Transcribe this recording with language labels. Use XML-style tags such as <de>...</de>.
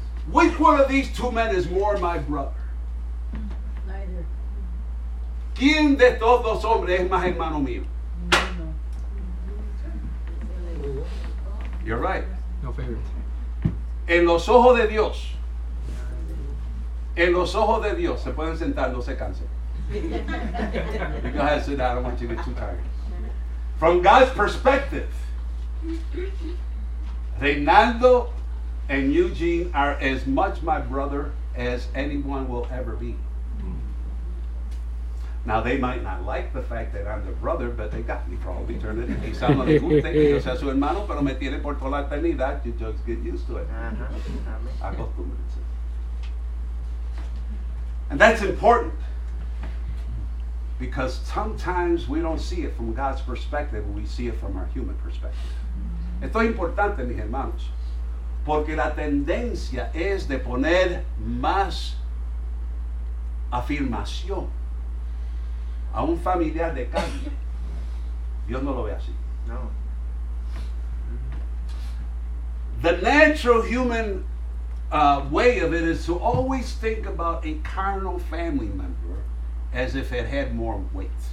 <en>Which one of these two men is more my brother? Neither.</en> <es>¿Quién de estos dos hombres es más hermano mío? No.</es> <en>You're right. No favorite.</en> <es>En los ojos de Dios. En los ojos de Dios. Se pueden sentar, no se cansen.</es> <en>You go ahead and sit down. I don't want you to get too tired. From God's perspective, Reynaldo and Eugene are as much my brother as anyone will ever be. Now, they might not like the fact that I'm their brother, but they got me for all eternity.</en> <es>Quizá no le guste que yo sea su hermano, pero me tiene por toda la eternidad.</es> <en>You just get used to it.</en> <es>Acostúmbrense.</es> <en>And that's important. Because sometimes we don't see it from God's perspective, we see it from our human perspective.</en> <es>Esto es importante, mis hermanos, porque la tendencia es de poner más afirmación a un familiar de carne. Dios no lo ve así. No.</es> <en>The natural human way of it is to always think about a carnal family member as if it had more weight.</en>